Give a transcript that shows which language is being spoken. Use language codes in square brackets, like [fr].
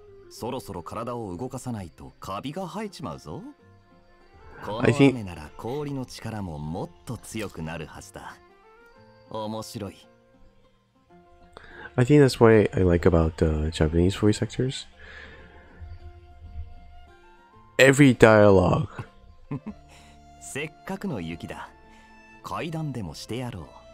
[ja] そろそろ体を動かさないとカビが生えちまうぞ。この雨なら氷の力ももっと強くなるはずだ。面白い。 [en] I think that's what I like about the Japanese voice actors. Every dialogue. [ja] せっかくの雪だ。階段でもしてやろう。